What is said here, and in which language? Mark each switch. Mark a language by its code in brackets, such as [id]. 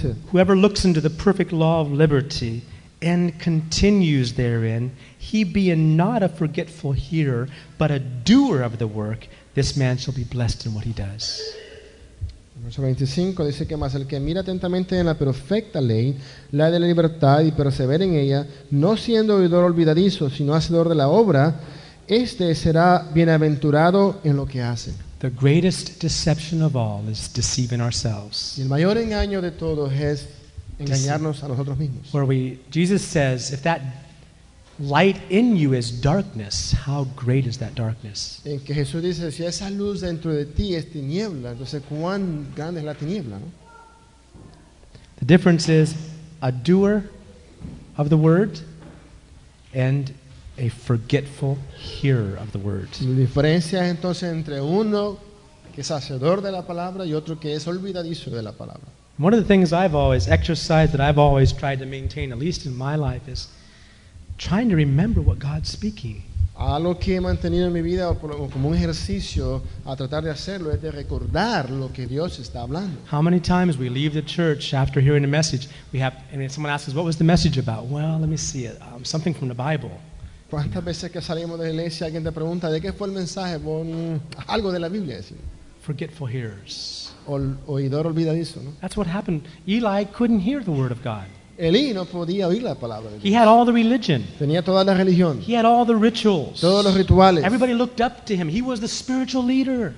[en] Whoever looks into the perfect law of liberty and continues therein, he being not a forgetful hearer, but a doer of the work, this man shall be blessed in what he does. [es] Verso 25 dice que más el que mira atentamente en la perfecta ley, la de la libertad, y persevera en ella, no siendo oidor olvidadizo, sino hacedor de la obra, este será bienaventurado en lo que hace. [en] The greatest deception of all is deceiving ourselves. [es] Y el mayor engaño de todos es engañarnos a nosotros mismos. [en] Jesus says, if that light in you is darkness, how great is that darkness? [es] En que Jesús dice, si esa luz dentro de ti es tiniebla, entonces cuán grande es la tiniebla, ¿no? [en] The difference is a doer of the word and a forgetful hearer of the word. [es] La diferencia es entonces entre uno que es hacedor de la palabra y otro que es olvidadizo de la palabra. [en] One of the things I've always exercised that I've always tried to maintain, at least in my life, is trying to remember what God's speaking. [es] Algo que he mantenido en mi vida como un ejercicio a tratar de hacerlo es de recordar lo que Dios está hablando. [en] How many times we leave the church after hearing a message, someone asks us, what was the message about? Well, let me see it. Something from the Bible. [es] ¿Cuántas veces que salimos de la iglesia alguien te pregunta, ¿de qué fue el mensaje? Algo de la Biblia. [en] Forgetful hearers. [es] Oidor olvidadizo, ¿no? [en] That's what happened. Eli couldn't hear the word of God. [es] Eli no podía oír la palabra de Dios. [en] He had all the religion. [es] Tenía toda la religión. [en] He had all the rituals. [es] Todos los rituales. [en] Everybody looked up to him. He was the spiritual leader.